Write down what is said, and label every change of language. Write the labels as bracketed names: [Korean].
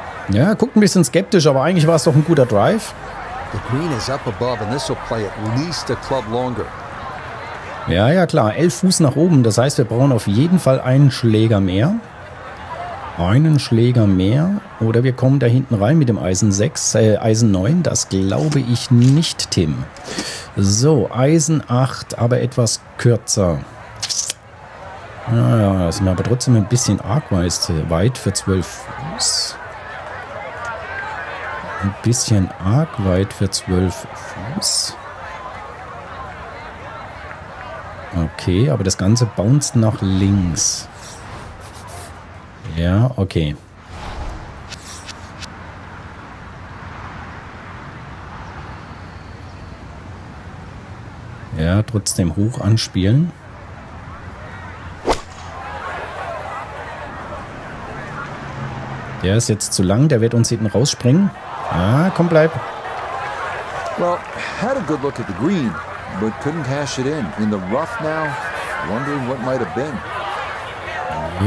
[German] Ja, guckt ein bisschen skeptisch, aber eigentlich war es doch ein guter Drive. [English] The green is up above and this will play at least a club longer. [German] Ja, ja, klar, 11 Fuß nach oben, das heißt, wir brauchen auf jeden Fall einen Schläger mehr. einen Schläger mehr oder wir kommen da hinten rein mit dem Eisen 9. Das glaube ich nicht, Tim. So, Eisen 8, aber etwas kürzer. Naja, das ist mir aber trotzdem ein bisschen arg weit für 12 Fuß. Ein bisschen arg weit für 12 Fuß. Okay, aber das Ganze bounced nach links. Ja, okay. Ja, trotzdem hoch anspielen. Der ist jetzt zu lang, der wird uns hinten rausspringen. Ah, komm, bleib. [English] Well, had a good look at the green, but couldn't cash it in. In the rough now, wondering what might have been.